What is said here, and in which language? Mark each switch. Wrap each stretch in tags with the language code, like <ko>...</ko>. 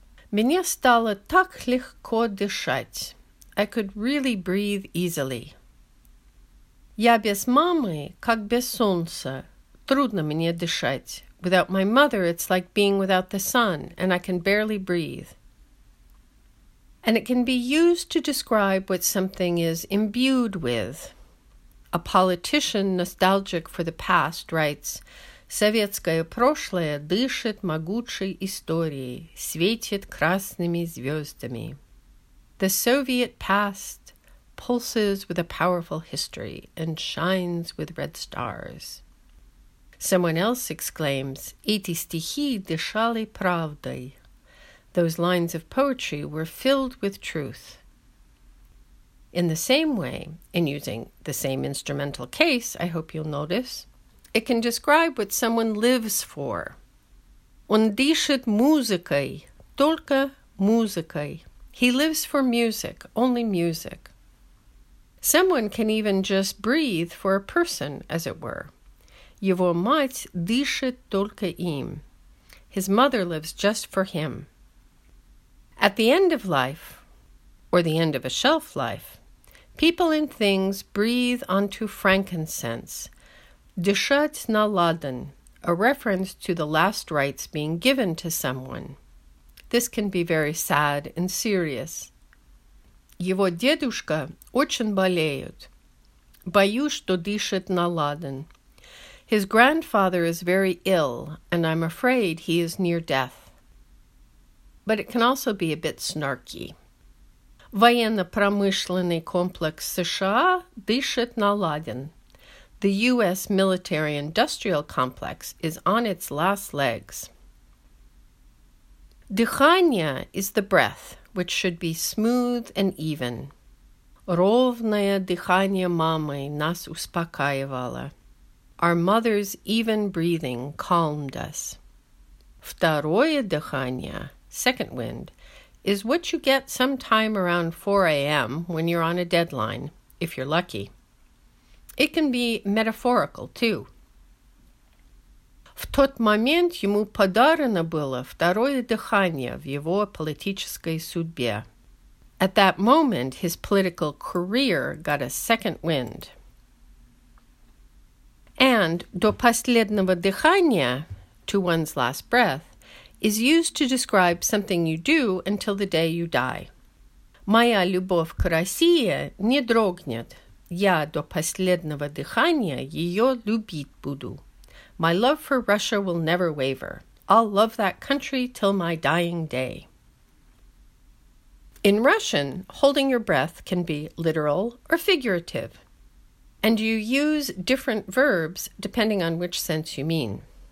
<ru>Меня стало так легко дышать.</ru> <en>I could really breathe easily.</en> <ru>Я без мамы, как без солнца. Трудно мне дышать.</ru> <en>Without my mother, it's like being without the sun, and I can barely breathe. And it can be used to describe what something is imbued with. A politician nostalgic for the past writes,</en> <ru>Советское прошлое дышит могучей историей, светит красными звездами.</ru> <en>The Soviet past pulses with a powerful history and shines with red stars. Someone else exclaims,</en> <ru>Эти стихи дышали правдой.</ru> <en>Those lines of poetry were filled with truth. In the same way, in using the same instrumental case, I hope you'll notice, it can describe what someone lives for.</en> <ru>Он дышит музыкой, только музыкой.</ru> <en>He lives for music, only music. Someone can even just breathe for a person, as it were.</en> <ru>Его мать дышит только им.</ru> <en>His mother lives just for him. At the end of life, or the end of a shelf life, people and things breathe onto frankincense,</en> <ru>дышать на ладан,</ru> <en>a reference to the last rites being given to someone. This can be very sad and serious.</en> <ru>Его дедушка очень болеет. Боюсь, что дышит на ладан.</ru> <en>His grandfather is very ill, and I'm afraid he is near death. But it can also be a bit snarky.</en> <ru>Военно-промышленный комплекс США дышит на ладан.</ru> <en>The U.S. military industrial complex is on its last legs. Дыхание is the breath, which should be smooth and even.</en> <ru>Ровное дыхание мамы нас успокаивало.</ru> <en>Our mother's even breathing calmed us.</en> <ru>Второе дыхание.</ru> <en>Second wind is what you get sometime around 4 a.m. when you're on a deadline, if you're lucky. It can be metaphorical, too.</en> <ru>В тот момент ему подарено было второе дыхание в его политической судьбе.</ru> <en>At that moment, his political career got a second wind. And</en> <ru>до последнего дыхания,</ru> <en>to one's last breath, is used to describe something you do until the day you die.</en> <ru>Моя любовь к России не дрогнет. Я до последнего дыхания ее любить буду.</ru> <en>My love for Russia will never waver. I'll love that country till my dying day. In Russian, holding your breath can be literal or figurative, and you use different verbs depending on which sense you mean.</en>